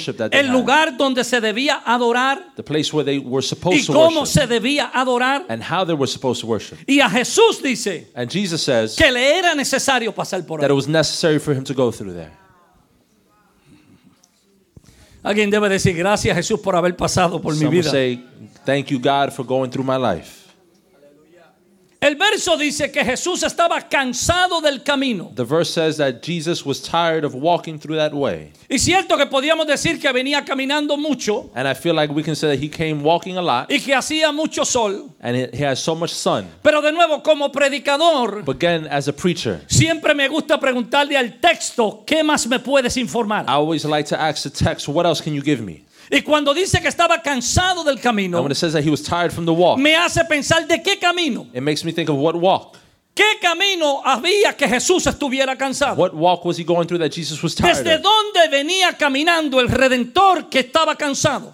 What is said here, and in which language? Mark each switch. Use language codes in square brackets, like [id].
[es] El lugar donde se debía adorar. Y cómo se debía adorar. Y a Jesús dice que le era necesario pasar por ahí. [en] That it was necessary for him to go through there. [es] Alguien debe decir gracias Jesús por haber pasado por [en] some [es] mi vida. [en] Say, thank you God for going through my life. [es] El verso dice que Jesús estaba cansado del camino. [en] The verse says that Jesus was tired of walking through that way. [es] Y cierto que podíamos decir que venía caminando mucho. [en] And I feel like we can say that he came walking a lot. [es] Y que hacía mucho sol. [en] And he has so much sun. [es] Pero de nuevo como predicador. [en] But again as a preacher. [es] Siempre me gusta preguntarle al texto qué más me puedes informar. [en] I always like to ask the text what else can you give me. [es] Y cuando dice que estaba cansado del camino, [en] and when it says that he was tired from the walk, [es] me hace pensar de qué camino. [en] It makes me think of what walk. [es] ¿Qué camino había que Jesús estuviera cansado? [en] What walk was he going through that Jesus was tired? [es] ¿Desde dónde venía caminando el Redentor que estaba cansado?